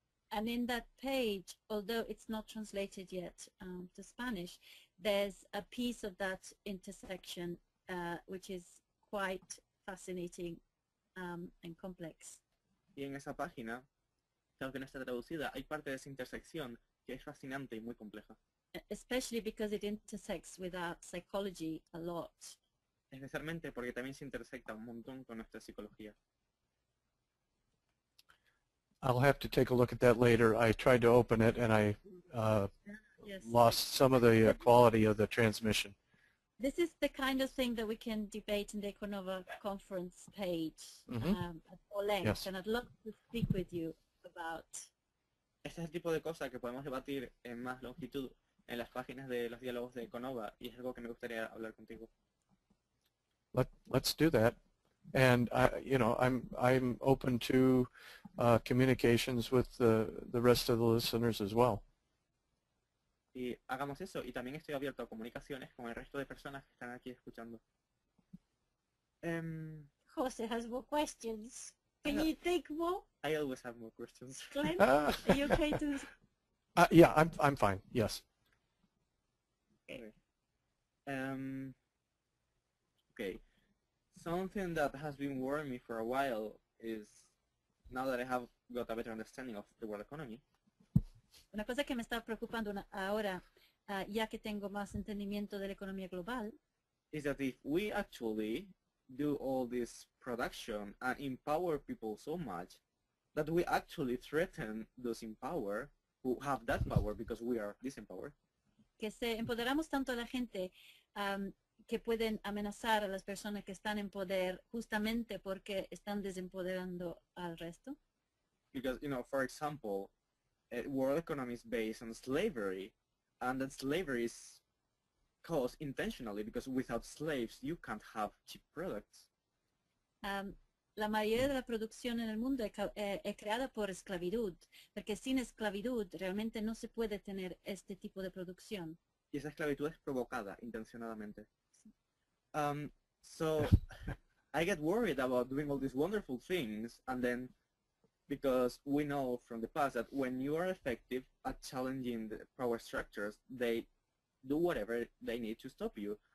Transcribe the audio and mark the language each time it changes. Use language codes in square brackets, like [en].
[en] And in that page, although it's not translated yet to Spanish, there's a piece of that intersection which is quite fascinating and complex. [es] Y en esa página, aunque no está traducida, hay parte de esa intersección que es fascinante y muy compleja. [en] Especially because it intersects with our psychology a lot. [es] Especialmente porque también se intersecta un montón con nuestra psicología. [en] I'll have to take a look at that later. I tried to open it and I lost some of the quality of the transmission. This is the kind of thing that we can debate in the EcoNova conference page at full length, yes. And I'd love to speak with you about. [es] Este es el tipo de cosa que podemos debatir en más longitud en las páginas de los diálogos de EcoNova, y es algo que me gustaría hablar contigo. [en] Let's do that. And I'm open to communications with the rest of the listeners as well. [es] Y hagamos eso, y también estoy abierto a comunicaciones con el resto de personas que están aquí escuchando. [en] José has more questions. Can you take more? I always have more questions. Glenn, are you okay to? Yeah, I'm fine. Yes. Okay. Something that has been worrying me for a while is, now that I have got a better understanding of the world economy. [es] Una cosa que me está preocupando ahora, ya que tengo más entendimiento de la economía global, [en] is that if we actually do all this production and empower people so much, that we actually threaten those in power who have that power because we are disempowered. [es] Que se empoderamos tanto a la gente, que pueden amenazar a las personas que están en poder justamente porque están desempoderando al resto. [en] Because, you know, for example, the world economy is based on slavery, and that slavery is caused intentionally because without slaves you can't have cheap products. [es] La mayoría de la producción en el mundo es creada por esclavitud, porque sin esclavitud realmente no se puede tener este tipo de producción. Y esa esclavitud es provocada intencionadamente. Sí. [en] So I get worried about doing all these wonderful things, and then because we know from the past that when you are effective at challenging the power structures, they do whatever they need to stop you.